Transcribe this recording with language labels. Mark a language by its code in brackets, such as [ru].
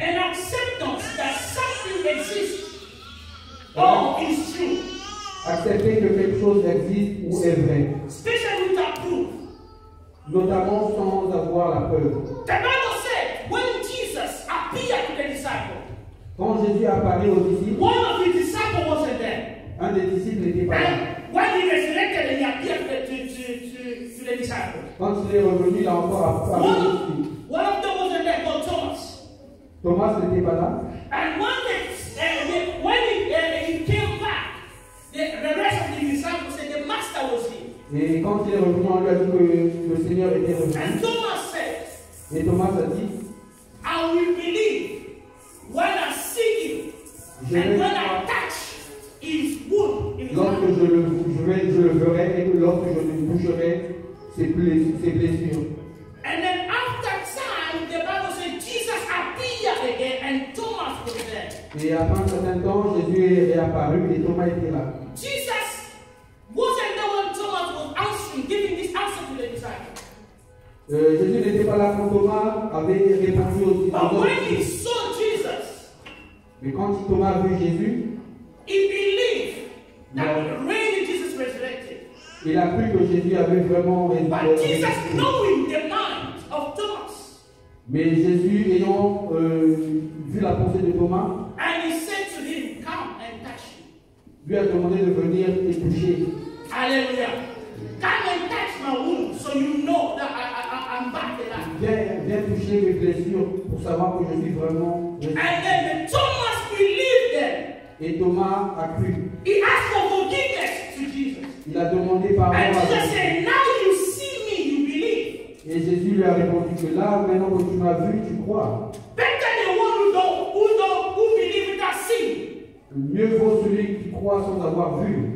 [en] An acceptance that something exists or is true. [fr] Accepter que quelque chose existe ou est vrai. [en] Especially without proof. [fr] Notamment sans avoir la preuve. [en] The Bible said, when Jesus appeared to the disciples, [fr] quand Jésus apparaît aux disciples, [en] one of his disciples wasn't there. [fr] Un des disciples n'était pas là. [en] When he resurrected, he appeared to the disciples. [fr] Quand il est revenu, il a encore apparu aux disciples. [en] One of them wasn't there, but Thomas. [fr] Thomas n'était pas là. [en] And when he came back, the rest of the disciples said the master was here. [fr] Et quand il est revenu, on lui a dit que le Seigneur était revenu. [en] And Thomas said. [fr] Et Thomas a dit. [en] I will believe. When I see him, and when I touch his wound, [fr] lorsque je le verrai et lorsque je le boucherai, ses blessures. [en] And then after time, the Bible says Jesus appeared again, and Thomas was there. [fr] Et après un certain temps, Jésus est apparu et Thomas était là. [en] Jesus wasn't the one Thomas was asking, giving this answer to the disciples. [fr] Jésus n'était pas là quand Thomas avait répondu aux disciples. Mais quand Thomas a vu Jésus, [en] he believed that really Jesus resurrected. [fr] Il a cru que Jésus avait vraiment résurrecté. [en] But Jesus knowing the mind of Thomas. [fr] Mais Jésus ayant vu la pensée de Thomas, [en] and he said to him, come and touch me. [fr] Lui a demandé de venir et toucher. Alléluia. [en] Come and touch my wound, so you know that I'm back alive. [fr] Viens toucher mes blessures pour savoir que je suis vraiment. [en] And then Thomas believed them. [fr] Et Thomas a cru. [en] He asked for forgiveness to Jesus. [fr] Il a demandé pardon. [en] And Jesus said, now you see me, you believe. [fr] Et Jésus lui a répondu que là, maintenant que tu m'as vu, tu crois. [en] Better the one who believe without seeing. [fr] Mieux vaut celui qui croit sans avoir vu.